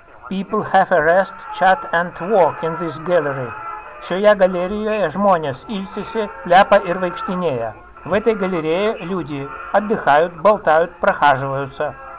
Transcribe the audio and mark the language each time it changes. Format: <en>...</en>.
<en>People have a rest, chat and walk in this gallery.</en> <lt>Šioje galerijoje žmonės ilsisi, plepa ir vaikštinėja.</lt> <ru>В этой галерее люди отдыхают, болтают, прохаживаются.</ru>